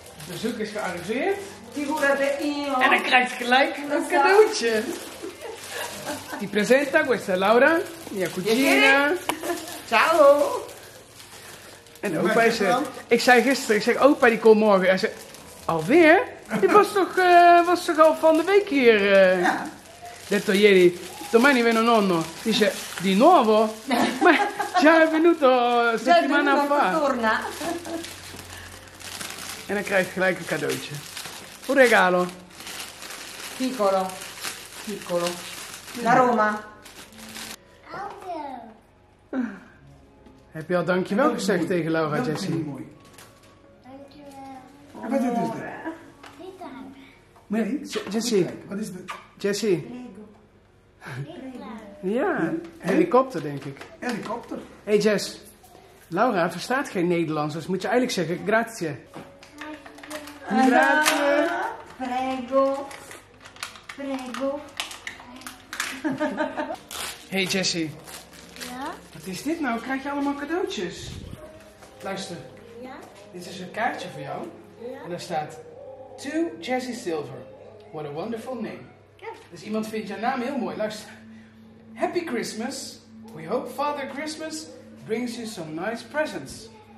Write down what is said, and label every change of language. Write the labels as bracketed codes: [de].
[nl] Het bezoek is gearriveerd. [it] Figurate io. [nl] En dan krijg je gelijk een cadeautje. [it] Ti presenta, questa è Laura, mia cugina. Ciao. [nl] En opa, hij zei, ik zei gisteren, ik zeg opa die komt morgen. Hij zei, alweer? Dit was toch al van de week hier? Ja. [it] Detto ieri, domani viene nonno. [nl] Die zei, [it] di nuovo? Ma già è venuto settimana fa. [nl] En dan krijg je gelijk een cadeautje. [it] Un regalo. Piccolo. Piccolo. La Roma. [nl] Heb je al dankjewel gezegd tegen Laura en Jessie? Dankjewel. Mooi. Dankjewel. En wat is dit? Dit hangen. Nee, Jessie. Wat is dit? Jessie. Lego. Ja, helikopter denk ik. Helikopter. Hé hey Jess, Laura verstaat geen Nederlands, dus moet je eigenlijk zeggen grazie. [it] Grazie. Grazie. Prego. Prego. [nl] Hé hey Jessie. Ja? Wat is dit nou? Krijg je allemaal cadeautjes? Luister. Ja? Dit is een kaartje voor jou. Ja? En daar staat... [en] To Jessie Silver. What a wonderful name. [nl] Ja. Dus iemand vindt jouw naam heel mooi. Luister. [en] Happy Christmas. We hope Father Christmas brings you some nice presents.